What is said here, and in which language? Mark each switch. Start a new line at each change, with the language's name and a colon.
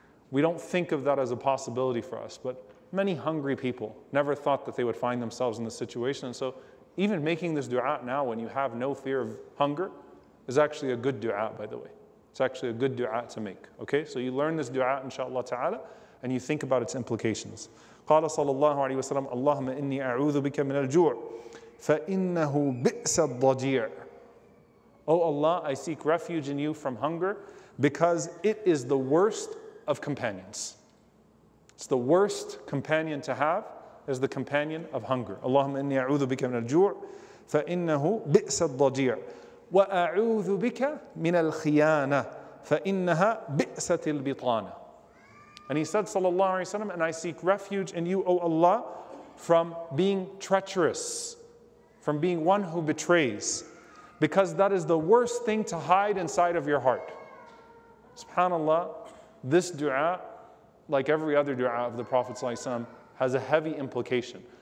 English: We don't think of that as a possibility for us, but many hungry people never thought that they would find themselves in this situation. And so even making this dua now when you have no fear of hunger is actually a good dua, by the way. It's actually a good dua to make, okay? So you learn this dua, inshallah ta'ala, and you think about its implications.
Arabic: قال صلى الله عليه وسلم اللهم إني أعوذ بك من الجوع فإنه بئس الضجيع.
English: Oh Allah, I seek refuge in you from hunger because it is the worst of companions. It's the worst companion to have is the companion of hunger.
Arabic: اللهم إني أعوذ بك من الجوع فإنه بئس الضجيع وأعوذ بك من الخيانة فإنها بئسة البطانة.
English: And he said, sallallahu alayhi wa sallam, and I seek refuge in you, O Allah, from being treacherous, from being one who betrays, because that is the worst thing to hide inside of your heart. SubhanAllah, this dua, like every other dua of the Prophet sallallahu alayhi wa sallam, has a heavy implication.